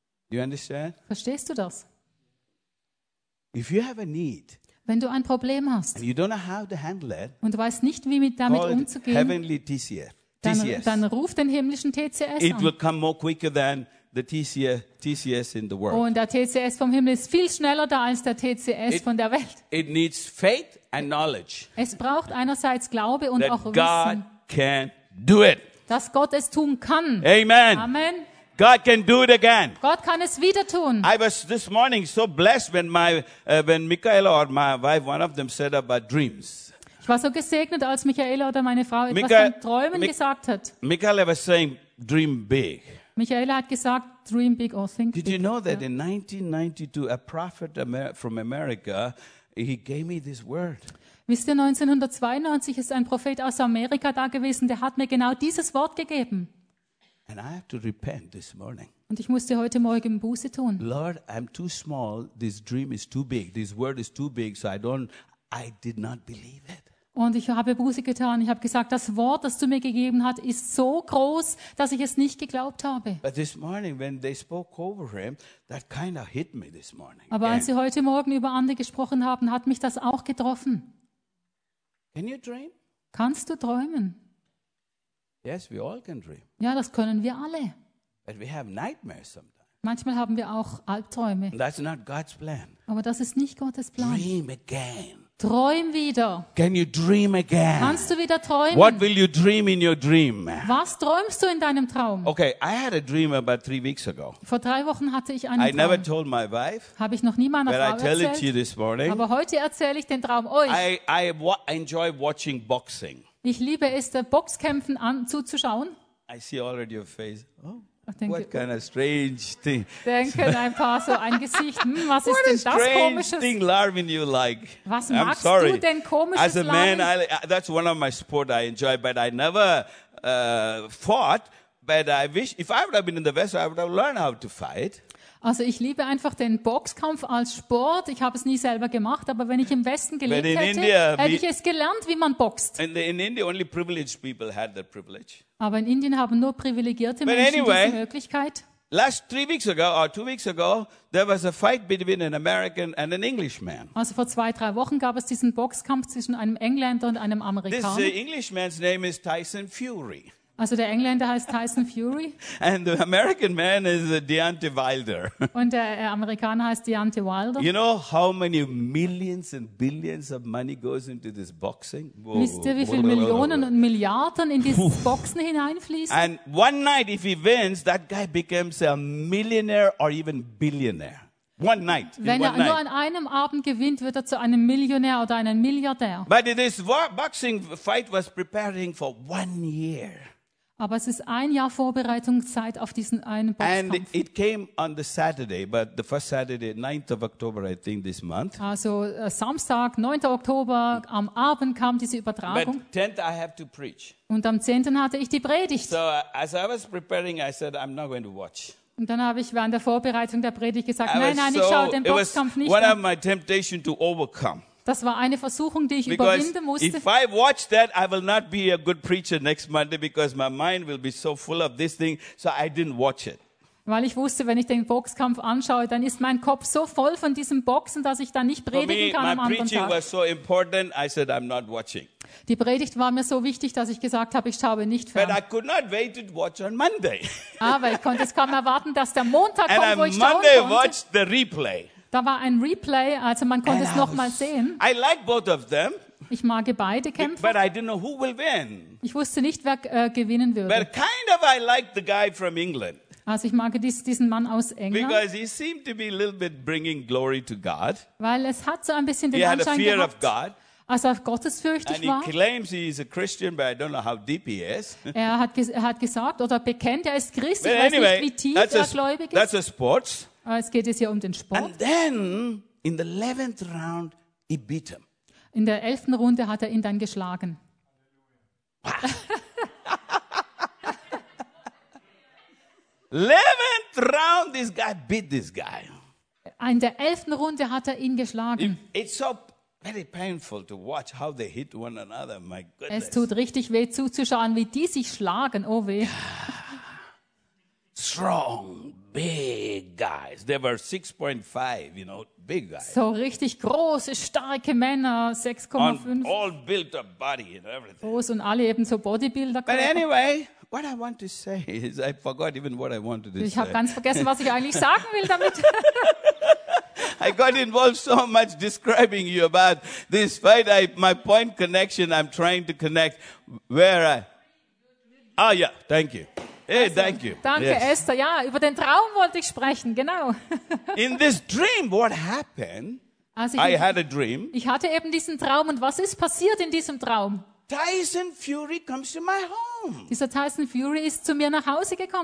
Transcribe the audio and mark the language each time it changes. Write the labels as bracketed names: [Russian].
[English] Do you understand? [German] Verstehst du das? [English] If you have a need, [German] wenn du ein Problem hast [English] and you don't know how to handle it, [German] und du weißt nicht, wie damit umzugehen, [English] heavenly TCF. [German] Dann ruf den himmlischen TCS an. [English] It will come more quicker than the TCS in the world. [German] Und der TCS vom Himmel ist viel schneller da als der TCS von der Welt. [English] It needs faith and knowledge. [German] Es braucht einerseits Glaube und [English] that [German] auch Wissen. [English] God can do it. [German] Dass Gott es tun kann. [English] Amen. [German] Amen. [English] God can do it again. [German] Gott kann es wieder tun. [English] I was this morning so blessed when when Michaela or my wife, one of them, said about dreams. [German] Ich war so gesegnet, als Michaela oder meine Frau etwas von Träumen gesagt hat. [English] Michaela was saying, dream big. [German] Michaela hat gesagt, [English] dream big or think big. Did you know that in 1992 a prophet from America, he gave me this word? [German] Wisst ihr, 1992 ist ein Prophet aus Amerika da gewesen, der hat mir genau dieses Wort gegeben. [English] And I have to repent this morning. [German] Und ich musste heute Morgen Buße tun. [English] Lord, I'm too small. This dream is too big. This word is too big, so I did not believe it. [German] Und ich habe Buße getan. Ich habe gesagt, das Wort, das du mir gegeben hast, ist so groß, dass ich es nicht geglaubt habe. [English] But this morning, when they spoke over him, that kind of hit me this morning. [German] Aber als sie heute Morgen über Andi gesprochen haben, hat mich das auch getroffen. [English] Can you dream? [German] Kannst du träumen? [English] Yes, we all can dream. [German] Ja, das können wir alle. [English] But we have nightmares sometimes. [German] Manchmal haben wir auch Albträume. [English] That's not God's plan. [German] Aber das ist nicht Gottes Plan. [English] Dream again. [German] Träum wieder. [English] Can you dream again? [German] Kannst du wieder träumen? [English] What will you dream in your dream? [German] Was träumst du in deinem Traum? [English] Okay, I had a dream about 3 weeks ago. [German] Vor 3 Wochen hatte ich einen [English] I [German] Traum. [English] I never told my wife. [German] Habe ich noch nie meiner Frau erzählt. [English] But I tell it to you this morning. [German] Aber heute erzähle ich den Traum euch. [English] I enjoy watching boxing. [German] Ich liebe es, der Boxkämpfen zuzuschauen. [English] I see already your face. Oh. What kind of strange thing? [German] Denken ein paar so ein Gesicht. Was ist denn das komisches? [English] Thing, Larvin, you like? [German] Was magst du denn komisches? [English] As a man, that's one of my sport I enjoy, but I never fought. But I wish, if I would have been in the vessel, I would have learned how to fight. [German] Also ich liebe einfach den Boxkampf als Sport. Ich habe es nie selber gemacht, aber wenn ich im Westen gelebt hätte, hätte ich es gelernt, wie man boxt. [English] In India only privileged people had that privilege. [German] Aber in Indien haben nur privilegierte Menschen diese Möglichkeit. [English] Last 3 weeks ago or 2 weeks ago, there was a fight between an American and an Englishman. [German] Also vor 2-3 Wochen gab es diesen Boxkampf zwischen einem Engländer und einem Amerikaner. [English] This Englishman's name is Tyson Fury. [German] Also der Engländer heißt Tyson Fury. [English] And the American man is Deontay Wilder. [German] Und der Amerikaner heißt Deontay Wilder. [English] You know how many millions and billions of money goes into this boxing? Whoa. [German] Wisst ihr, wie viele Millionen und Milliarden in dieses Boxen hineinfließen? [English] And one night if he wins, that guy becomes a millionaire or even billionaire. One night. [German] Wenn er nur an einem Abend gewinnt, wird er zu einem Millionär oder einem Milliardär. [English] But this boxing fight was preparing for 1 year. [German] Aber es ist ein Jahr Vorbereitungszeit auf diesen einen Boxkampf. [English] And it came on the Saturday, but the first Saturday, 9th of October, I think, this month. [German] Also Samstag, 9. Oktober, am Abend kam diese Übertragung. [English] But 10th I have to preach. [German] Und am 10. hatte ich die Predigt. [English] So as I was preparing, I said, I'm not going to watch. [German] Und dann habe ich während der Vorbereitung der Predigt gesagt, nein, ich schaue den Boxkampf nicht an. [English] It was one of my temptation to overcome. [German] Das war eine Versuchung, die ich [English] because [German] überwinden musste. [English] If I watch that, I will not be a good preacher next Monday because my mind will be so full of this thing, so I didn't watch it. [German] Weil ich wusste, wenn ich den Boxkampf anschaue, dann ist mein Kopf so voll von diesem Boxen, dass ich dann nicht predigen kann am anderen Tag. [English] My preaching was so important, I said I'm not watching. [German] Die Predigt war mir so wichtig, dass ich gesagt habe, ich schaue nicht fern. [English] But I could not wait to watch on Monday. [German] Aber ich konnte es kaum erwarten, dass der Montag [English] and [German] kommt, wo ich [English] Monday [German] schauen konnte. [English] Watched the replay. [German] Da war ein Replay, also man konnte es nochmal sehen. [English] I like both of them. [German] Ich mag beide Kämpfe. [English] But I didn't know who will win. [German] Ich wusste nicht, wer gewinnen würde. [English] But kind of I like the guy from England. [German] Also ich mag diesen Mann aus England. [English] Because he seemed to be a little bit bringing glory to God. [German] Weil es hat so ein bisschen [English] he [German] den Anschein gehabt. [English] Of God. [German] Also auf gottesfürchtig war. [English] And he claims he is a Christian, but I don't know how deep he is. [German] Er hat gesagt oder bekennt, er ist Christ. Ich weiß nicht, wie tief er gläubig ist. [English] That's a sports. [German] Es geht jetzt hier um den Sport. [English] And then in the 11th round he beat him. [German] In der 11. Runde hat er ihn dann geschlagen. [English] Eleventh round this guy beat this guy. [German] In der 11. Runde hat er ihn geschlagen. [English] It's so very painful to watch how they hit one another. My goodness. [German] Es tut richtig weh zuzuschauen, wie die sich schlagen. Oh weh. [English] Strong. Big guys. They were 6.5, you know, big guys. [German] So richtig große, starke Männer, 6,5. [English] All built up body and everything. [German] Groß und alle eben so Bodybuilder. [English] But anyway, what I want to say is, I forgot even what I wanted to [German] ich [English] say. [German] Ich habe ganz vergessen, was ich eigentlich sagen will damit. [English] I got involved so much describing you about this fight. My point connection, I'm trying to connect where I... Oh yeah, thank you. Hey, also, thank you. [German] Danke, yes. Esther. Ja, über den Traum wollte ich sprechen, genau. [English] In this dream, what happened? [German] Also [English] I had a dream. [German] Ich hatte eben diesen Traum. Und was ist passiert in diesem Traum? [English] Tyson Fury comes to my home. [German] Dieser Tyson Fury ist zu mir nach Hause gekommen.